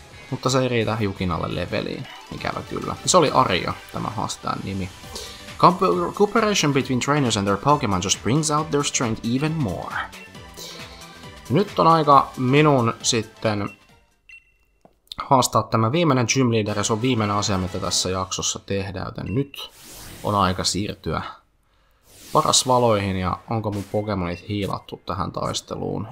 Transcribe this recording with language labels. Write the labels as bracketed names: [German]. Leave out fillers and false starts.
[Finnish] Mutta se ei riitä Jukinalle leveliin. Ikävä kyllä. Se oli Arja, tämä haastajan nimi. [English] Cooperation between trainers and their Pokemon just brings out their strength even more. [Finnish] Nyt on aika minun sitten haastaa tämä viimeinen gym leader, ja se on viimeinen asia, mitä tässä jaksossa tehdään, joten nyt on aika siirtyä parasvaloihin, ja onko mun Pokemonit hiilattu tähän taisteluun?